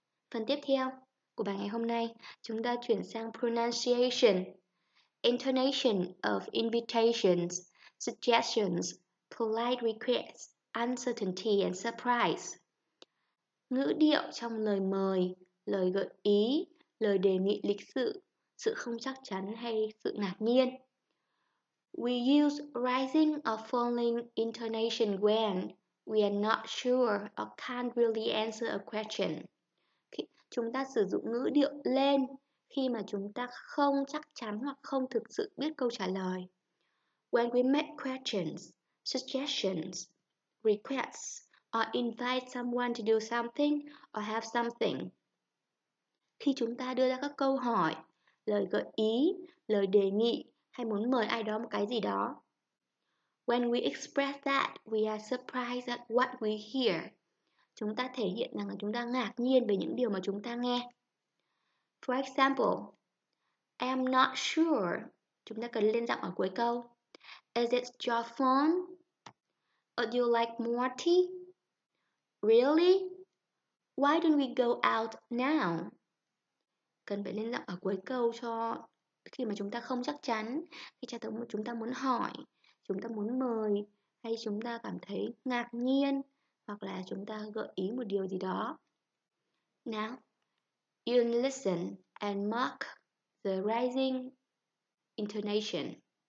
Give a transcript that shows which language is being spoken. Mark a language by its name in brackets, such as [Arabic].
[Vietnamese] Phần tiếp theo của bài ngày hôm nay, chúng ta chuyển sang [English] pronunciation, intonation of invitations, suggestions, polite requests, uncertainty and surprise. [Vietnamese] Ngữ điệu trong lời mời, lời gợi ý, lời đề nghị lịch sự, sự không chắc chắn hay sự ngạc nhiên. [English] We use rising or falling intonation when we are not sure or can't really answer a question. [Vietnamese] Chúng ta sử dụng ngữ điệu lên khi mà chúng ta không chắc chắn hoặc không thực sự biết câu trả lời. [English] When we make questions, suggestions, requests, or invite someone to do something or have something. [Vietnamese] Khi chúng ta đưa ra các câu hỏi, lời gợi ý, lời đề nghị hay muốn mời ai đó một cái gì đó. [English] When we express that, we are surprised at what we hear. [Vietnamese] Chúng ta thể hiện rằng là chúng ta ngạc nhiên về những điều mà chúng ta nghe. [English] For example, I'm not sure. [Vietnamese] Chúng ta cần lên giọng ở cuối câu. [English] Is it your phone? Or do you like more tea? Really? Why don't we go out now? [Vietnamese] Cần phải lên giọng ở cuối câu cho khi mà chúng ta không chắc chắn, khi chúng ta muốn hỏi, chúng ta muốn mời, hay chúng ta cảm thấy ngạc nhiên, hoặc là chúng ta gợi ý một điều gì đó. [English] Now, you listen and mark the rising intonation.